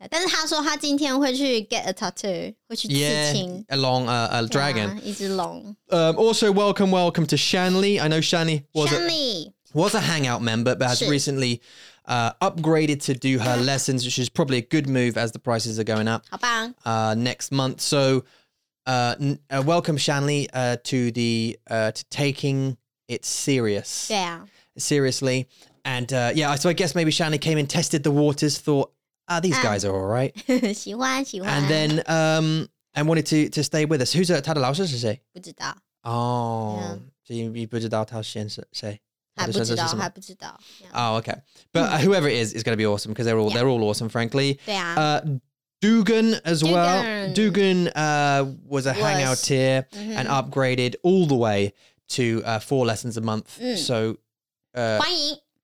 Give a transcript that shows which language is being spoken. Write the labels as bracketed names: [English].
[Chinese] 但是他说他今天会去 [English] get a tattoo， [Chinese] 会去刺青 [English] yeah, along a dragon， [Chinese] 啊，一只龙。 [English] Also welcome to Shanley. I know Shanley was a hangout member, but has recently upgraded to do her lessons, which is probably a good move as the prices are going up. [Chinese] 好棒。 [English] Next month, so welcome Shanley to the to taking it serious. Yeah. Seriously. And so I guess maybe Shanley came and tested the waters, thought, these guys are all right. [Chinese] 喜欢喜欢 [English] And then, and wanted to stay with us. Who's her, [Chinese] 他的老师是谁？不知道。 [English] Oh, so you [Chinese] 不知道他先生谁？还不知道，还不知道。 [English] Oh, okay. But whoever it is going to be awesome because they're all awesome, frankly. [Chinese] 对啊。 [English] Dugan as well. Dugan was a hangout here and upgraded all the way to four lessons a month. So, [Chinese] 欢迎。